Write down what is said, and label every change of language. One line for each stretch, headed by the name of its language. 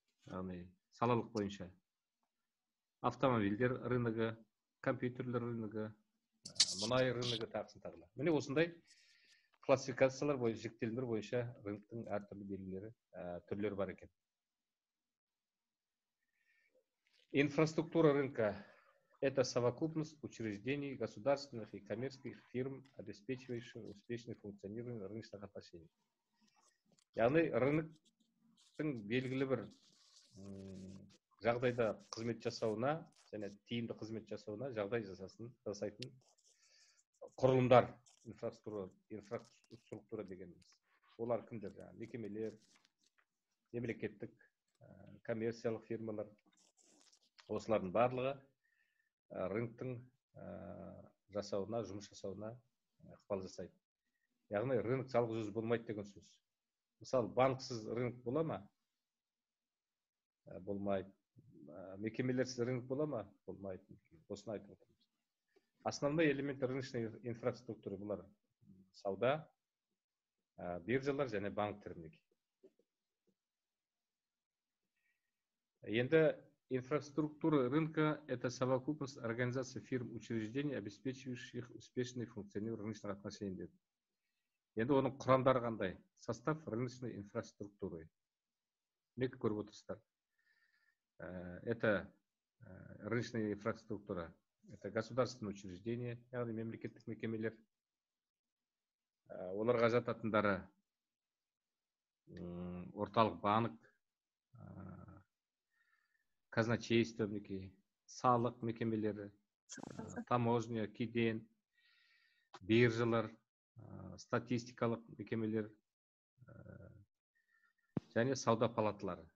Kazakh: Яғни салалық бойынша. Автомобильдер рынығы, компьютерлер рынығы, мұнай рынығы тағысын тағыла. Міне осындай классификациялар бойынша, жіктелімдер бойынша рынықтың әртүрлі белгілері, түрлері бар екен.
Russian: Инфраструктура рынка. Это совокупность учреждений государственных и коммерческих фирм, обеспечивающих успешное функционирование рыночных отношений.
Kazakh: Яғни рынықтың белгілі бір жағдайда қызмет жасауына, және тиімді қызмет жасауына жағдай жасайтын құрылымдар, инфраструктура дегеніміз. Олар кімдер? Мекемелер, мемлекеттік, коммерциялық фирмалар, осылардың барлығы рынктың жасауына, жұмыс жасауына ықпал жасайды. Яғни рынок жалғыз өзі болмайды деген сөз. Мысалы, банксыз рынок бола ма? Болмайды. Мекемелерсіз рынок бола ма? Болмайды. Осыны айтып отырмыз.
Russian: Основной элемент рыночной инфраструктуры
Kazakh: бұлар сауда, биржалар және банктер.
Russian: Енді инфраструктура рынка – это совокупность организаций, фирм, учреждений, обеспечивающих успешное функционирование рыночных отношений.
Kazakh: Енді оның құрамдары қандай?
Russian: Состав рыночной инфраструктуры.
Kazakh: Мек көріп отырсыздар.
Russian: Это рыночная инфраструктура. Это государственные учреждения,
Kazakh: яғни мемлекеттік мекемелер. Оларға жататындары орталық банк, казначейство, салық мекемелері, таможня, кеден, биржалар, статистикалық мекемелер, және сауда палаталары.